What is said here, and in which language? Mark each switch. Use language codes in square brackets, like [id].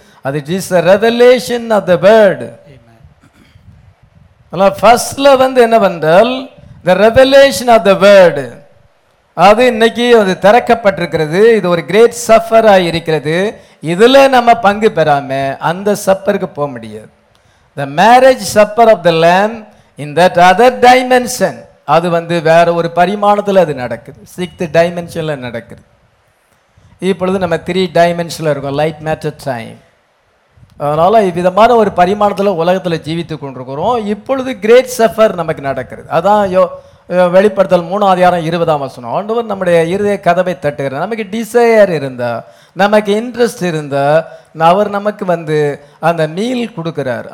[en] அது is a revelation of the word. [ta] அதனால் ஃபர்ஸ்ட்ல வந்து என்ன பண்றால் [en] the revelation of the word, [ta] அது இன்னைக்கு அது திறக்கப்பட்டிருக்கிறது. இது ஒரு கிரேட் சஃபராக இருக்கிறது. இதில் நம்ம பங்கு பெறாமல் அந்த சஃபருக்கு போக முடியாது. [en] The marriage supper of the lamb in that other dimension, [ta] அது வந்து வேற ஒரு பரிமாணத்தில் அது நடக்குது. சிக்ஸ்த் டைமென்ஷனில் நடக்குது. இப்பொழுது நம்ம த்ரீ டைமென்ஷனில் இருக்கோம், [en] Light matter time. [ta] அதனால் இவ்விதமான ஒரு பரிமாணத்தில் உலகத்தில் ஜீவித்து கொண்டிருக்கிறோம். இப்பொழுது கிரேட் சஃபர் நமக்கு நடக்கிறது. அதான் வெளிப்படுத்தல் 3:20. ஆண்டவர் நம்முடைய இருதய கதவை தட்டுகிறார். நமக்கு டிசையர் இருந்தால், நமக்கு இன்ட்ரெஸ்ட் இருந்தால், அவர் நமக்கு வந்து அந்த மீல் கொடுக்குறார்.